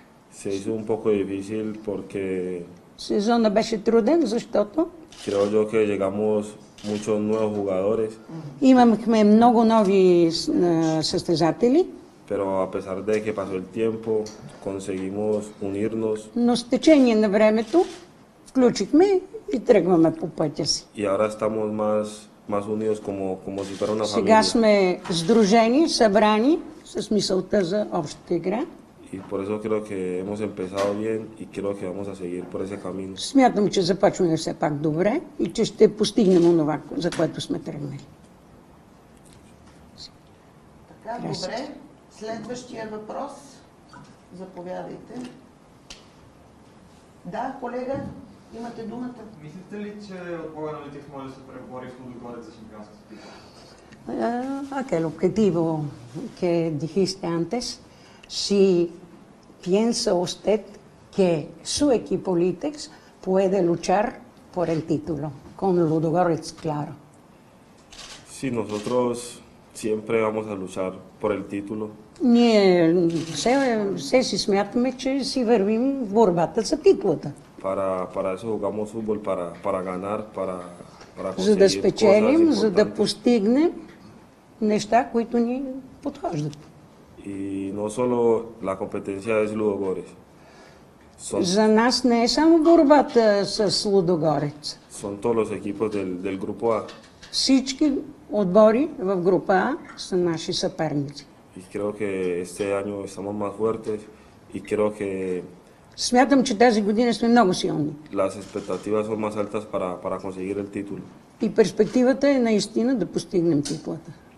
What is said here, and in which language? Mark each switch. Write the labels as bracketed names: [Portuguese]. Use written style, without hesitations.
[Spanish] se hizo un poco difícil porque [Bulgarian] сезона беше труден, защото [Spanish] creo yo que llegamos muchos nuevos jugadores. [Bulgarian] Имахме много нови състезатели. [Spanish] Pero a pesar de que pasó el tiempo, conseguimos unirnos. [Bulgarian] Но с течение на времето включихме и тръгваме по пътя си. [Spanish] Y ahora estamos más unidos como si fuera una [Bulgarian] Сега Сме сдружени, събрани с мисълта за общата игра. [Spanish] Y por eso creo que hemos empezado bien y creo que vamos a seguir por ese camino. [Bulgarian] Смятам, че започваме все пак добре и че ще постигнем онова, за което сме тръгнали. Така, добре. Следващия въпрос. Заповядайте. Да, колега. Имате думата. Мислите ли, че отбора на Литекс може да се пребори в Лудогорец за шампионската титла? [Spanish] Ok, el objetivo que dijiste antes, si piensa usted que su equipo Litekс puede luchar por el título con Лудогорец, claro. Sí, nosotros siempre vamos a luchar por el título. [Bulgarian] Ние все си смятаме, че си вървим в борбата за титлата. [Spanish] Para eso jugamos fútbol, para ganar, para conseguir cosas. [Bulgarian] За да спечелим, за да постигнем неща, които ни подхождат. [Spanish] Y no solo la competencia es Ludogorets. [Bulgarian] За нас не е само борбата с Лудогорец. [Spanish] Son todos los equipos del grupo A. [Bulgarian] Всички отбори в група А са наши съперници. [Spanish] Y creo que este año estamos más fuertes y creo que [Bulgarian] смятам, че тази година сме много силни. [Spanish] Las expectativas son más altas para conseguir el título. [Bulgarian] И перспективата е наистина да постигнем титлата.